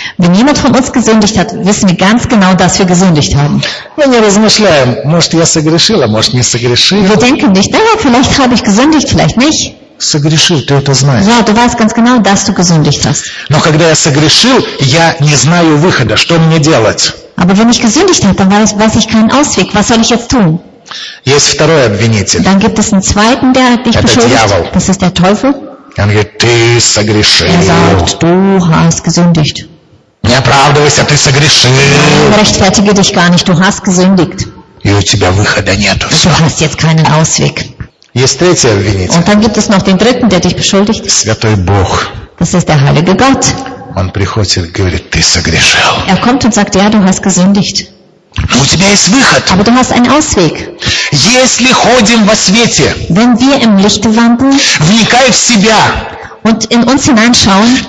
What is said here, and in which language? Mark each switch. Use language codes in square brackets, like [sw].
[de] Wenn jemand von uns gesündigt hat, wissen wir ganz genau, dass wir gesündigt haben. [ru] Мы не размышляем, может я согрешил, а может не согрешил. [de] Wir denken nicht, naja, vielleicht habe ich gesündigt, vielleicht nicht. [ru] Согрешил, ты это знаешь. [de] Ja, du weißt ganz genau, dass du gesündigt hast. [ru] Но когда я согрешил, я не знаю выхода, что мне делать. [de] Aber wenn ich gesündigt habe, dann weiß ich keinen Ausweg. Was soll ich jetzt tun? [ru] Есть второй обвинитель. [de] Dann gibt es einen zweiten, der dich beschuldigt. [ru] Это дьявол. [de] Das ist der Teufel. [ru] Он говорит, ты согрешил. [de] Er sagt, du hast gesündigt. [ru] Не оправдывайся, ты согрешил. [de] Nein, rechtfertige dich gar nicht, du hast gesündigt. [ru] И у тебя выхода нету. [de] Und du hast jetzt keinen Ausweg. [ru] Есть третий обвинитель. [de] Und dann gibt es noch den dritten, der dich beschuldigt. [ru] Святой Бог. [de] Das ist der Heilige Gott. [ru] Он приходит и говорит, ты согрешил. [de] Er kommt und sagt, ja, du hast gesündigt. [ru] У тебя есть выход. [de] Aber du hast einen Ausweg. [ru] Если ходим во свете, [de] wenn wir im Licht wandeln, [ru] вникай в себя, [de] und in uns hineinschauen,